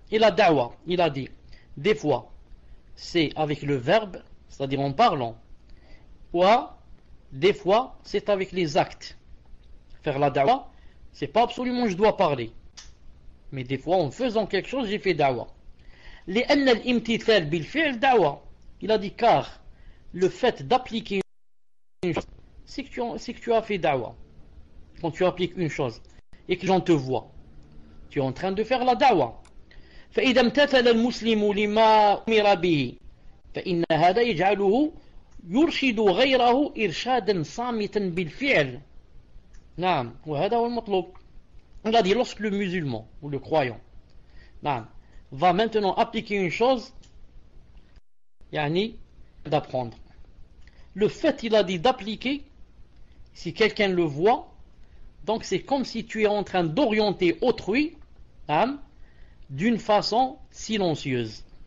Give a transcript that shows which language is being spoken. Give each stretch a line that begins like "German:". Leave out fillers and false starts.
French: Et la da'wa, il a dit. Des fois, c'est avec le verbe, c'est-à-dire en parlant. Ou des fois, c'est avec les actes. Faire la da'wa, c'est pas absolument je dois parler. Mais des fois, en faisant quelque chose, j'ai fait da'wa.
Arabic: لأن الامتثال بالفعل دعوة.
French: Il a dit car le fait d'appliquer une chose, c'est que tu as fait da'wa. Quand tu appliques une chose et que les gens te voient, tu es en train de faire la da'wa.
Arabic: فإذا امتثل المسلم لما أمر به فإن هذا يجعله يرشد غيره إرشادا صامتا بالفعل. نعم وهذا هو المطلوب.
French: Il a dit lorsque le musulman ou le croyant, نعم, va maintenant appliquer une chose, yani d'apprendre. Le fait, il a dit, d'appliquer, si quelqu'un le voit, donc c'est comme si tu es en train d'orienter autrui, hein, d'une façon silencieuse.